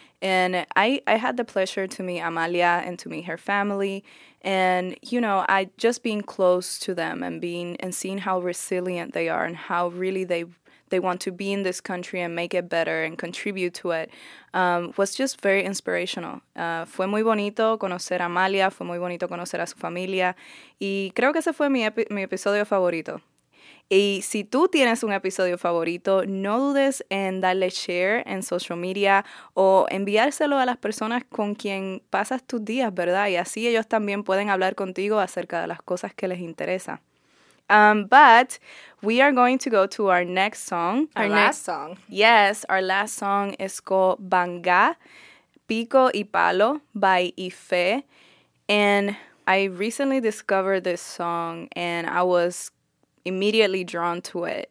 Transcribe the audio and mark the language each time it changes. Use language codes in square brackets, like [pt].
[en] And I had the pleasure to meet Amalia and to meet her family. And, you know, I just being close to them and being and seeing how resilient they are and how really they want to be in this country and make it better and contribute to it was just very inspirational. [es] Fue muy bonito conocer a Amalia, fue muy bonito conocer a su familia, y creo que ese fue mi episodio favorito. Y si tú tienes un episodio favorito, no dudes en darle share en [en] social media [es] o enviárselo a las personas con quien pasas tus días, ¿verdad? Y así ellos también pueden hablar contigo acerca de las cosas que les interesa. [en] But we are going to go to our next song. Our last song. Yes, our last song is called Banga, Pico y Palo by Ife. And I recently discovered this song and I was immediately drawn to it.